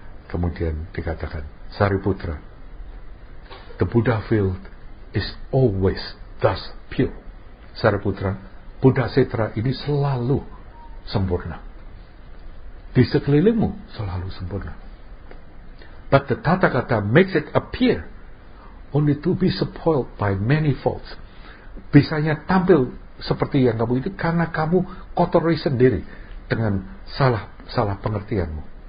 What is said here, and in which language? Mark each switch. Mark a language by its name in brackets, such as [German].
[Indonesian] Kemudian dikatakan, [English] Sariputra, the Buddha field is always thus pure. [Indonesian] Sariputra, Buddha Citra ini selalu sempurna. Di sekelilingmu selalu sempurna. [English] But the Tathagata makes it appear only to be spoiled by many faults. [Indonesian] Bisanya tampil seperti yang kamu itu karena kamu kotori sendiri dengan salah pengertianmu.